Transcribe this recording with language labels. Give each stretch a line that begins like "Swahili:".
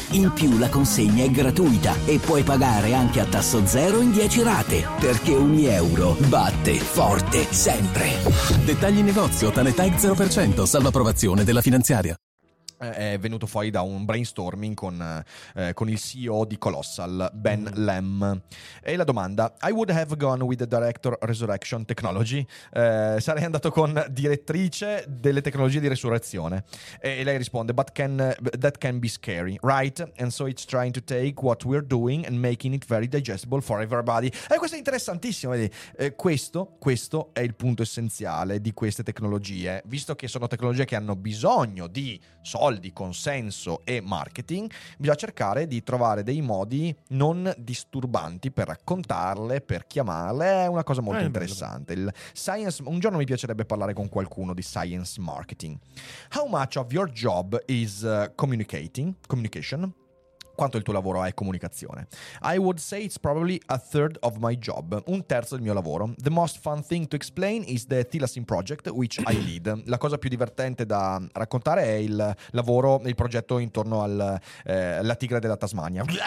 Italian: In più la consegna è gratuita e puoi pagare anche a tasso zero in 10 rate. Perché Unieuro batte forte sempre. Dettagli negozio, tale tag 0%, salva approvazione della finanziaria. È venuto fuori da un brainstorming con il CEO di Colossal, Ben Lam. E la domanda:
English: I would have gone with the Director Resurrection Technology.
Italian: Sarei andato con direttrice delle tecnologie di resurrezione. E lei risponde:
English: But that can be scary, right? And so it's trying to take what we're doing and making it very digestible for everybody.
Italian: E questo è interessantissimo. Vedi? Questo è il punto essenziale di queste tecnologie, visto che sono tecnologie che hanno bisogno di soldi, consenso e marketing, bisogna cercare di trovare dei modi non disturbanti per raccontarle, per chiamarle. È una cosa molto interessante. Il science, un giorno mi piacerebbe parlare con qualcuno di science marketing.
English: How much of your job is communication?
Italian: quanto il tuo lavoro è comunicazione.
English: I would say it's probably a third of my job.
Italian: Un terzo del mio lavoro.
English: The most fun thing to explain is the Thylacin project, which I lead.
Italian: La cosa più divertente da raccontare è il lavoro, il progetto intorno al la tigre della Tasmania.